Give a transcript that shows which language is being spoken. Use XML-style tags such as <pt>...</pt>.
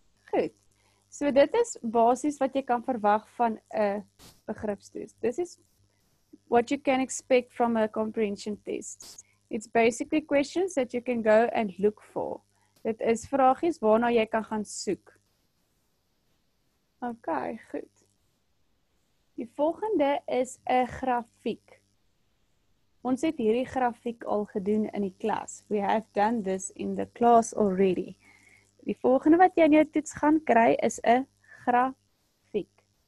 <af>Goed, so dit is basis wat jy kan verwag van 'n begripstoets.</af> <en>This is what you can expect from a comprehension test. It's basically questions that you can go and look for.</en> <af>Dit is vragies waarna jy kan gaan soek. Ok, goed. Die volgende is 'n grafiek. Ons het hierdie grafiek al gedoen in die klas.</af> <en>We have done this in the class already.</en> <af>Die volgende wat jy in jou toets gaan kry is 'n grafiek.</af>